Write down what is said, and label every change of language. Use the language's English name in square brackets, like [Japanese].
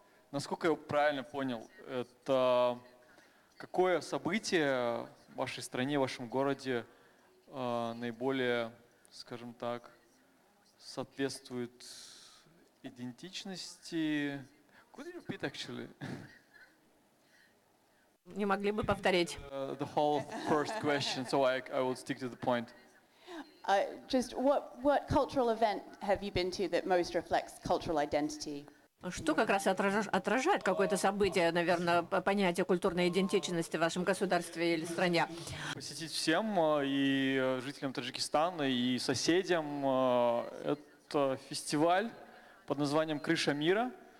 [Russian] Насколько я правильно понял, это какое событие в вашей стране, в вашем городе наиболее, скажем так, соответствует идентичности? [English] Could you repeat, actually? [Russian] Не могли бы повторить? [English] The whole first question, so I will stick to the point. Just what cultural event have you been to that most reflects cultural identity? [Russian] Что как раз отражает какое-то событие, наверное, понятие культурной идентичности в вашем государстве или стране? Посетить всем и жителям Таджикистана, и соседям это фестиваль под названием «Крыша мира».